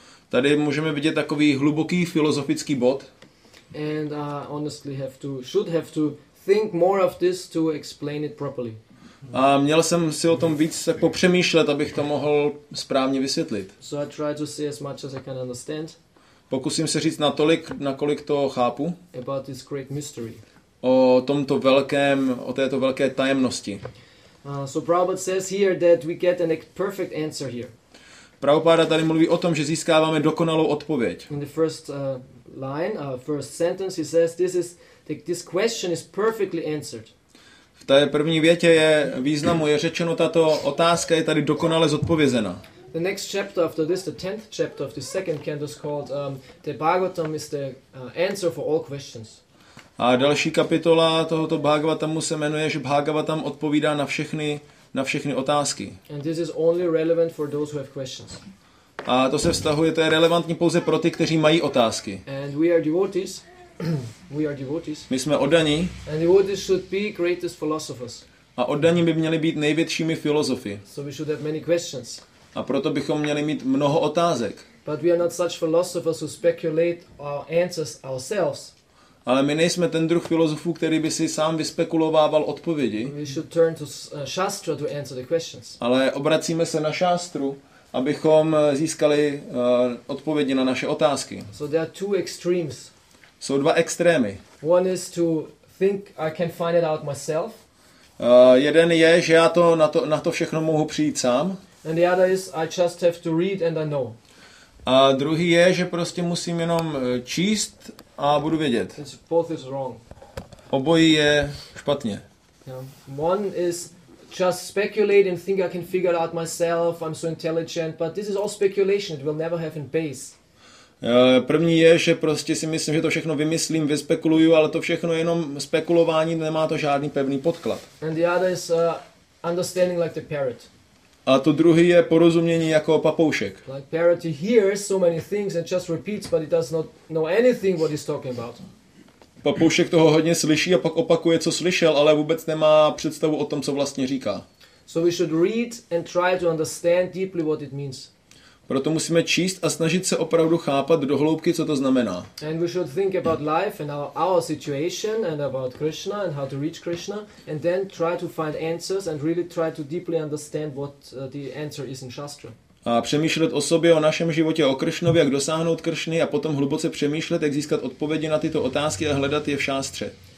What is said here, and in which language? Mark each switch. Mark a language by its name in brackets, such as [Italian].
[Czech] Tady můžeme vidět takový hluboký filozofický bod. [English] And I honestly should have to think more of this to explain it properly. [Czech] A měl jsem si o tom víc se popřemýšlet, abych to mohl správně vysvětlit. [English] So I try to say as much as I can understand. [Czech] Pokusím se říct natolik, nakolik to chápu. [English] About this great mystery. [Czech] O této velké tajemnosti. [English] So Prabhupada says here that we get a perfect answer here. [Czech] Prabhupada tady mluví o tom, že získáváme dokonalou odpověď. [English] In the first line, first sentence, he says this is this question is perfectly answered. [Czech] V té první větě je významu je řečeno tato otázka je tady dokonale zodpovězena. [English] The next chapter after this, the 10th chapter of the second canto is called the Bhagavatam is the answer for all questions. [Czech] A další kapitola tohoto Bhagavatamu se jmenuje, že Bhagavatam odpovídá na všechny otázky. [English] And this is only relevant for those who have questions. [Czech] A to se vztahuje, to je relevantní pouze pro ty, kteří mají otázky. [English] And we are devotees. We are devotees. [Czech] My jsme oddaní. [English] And devotees should be greatest philosophers. [Czech] A oddaní by měli být největšími filozofy. [English] So we should have many questions. [Czech] A proto bychom měli mít mnoho otázek. [English] But we are not such philosophers who speculate our answers ourselves. [Czech] Ale my nejsme ten druh filozofů, který by si sám vyspekulovával odpovědi. [English] We should turn to Shastra to answer the questions. [Czech] Ale obracíme se na Shastru, abychom získali odpovědi na naše otázky. [English] So there are two extremes. [Czech] Jsou dva extrémy. [English] One is to think I can find it out myself. [Czech] Jeden je, že já na to všechno mohu přijít sám. [English] And the other is I just have to read and I know. [Czech] A druhý je, že prostě musím jenom číst a budu vědět. [English] Both is wrong. [Czech] Obojí je špatně. [English] Yeah. One is just speculate and think I can figure it out myself. I'm so intelligent, but this is all speculation. It will never have a base. [Czech] První je, že prostě si myslím, že to všechno vymyslím, vyspekuluju, ale to všechno je jenom spekulování, nemá to žádný pevný podklad. [English] And the other is understanding like the parrot. [Czech] A to druhý je porozumění jako papoušek. [English] Like parrot, he hears so many things and just repeats, but he does not know anything what he's talking about. [Czech] Papoušek toho hodně slyší a pak opakuje, co slyšel, ale vůbec nemá představu o tom, co vlastně říká. [English] So we should read and try to understand deeply what it means. [Czech] Proto musíme číst a snažit se opravdu chápat do hloubky, co to znamená. [English] And we should think about life and our situation and about Krishna and how to reach Krishna and then try to find answers and really try to deeply understand what the answer is in Shastra. [Czech] A přemýšlet o sobě, o našem životě, o Krishnovi, jak dosáhnout Krishny a potom hluboce přemýšlet, jak získat odpovědi na tyto otázky a hledat je v Šástře.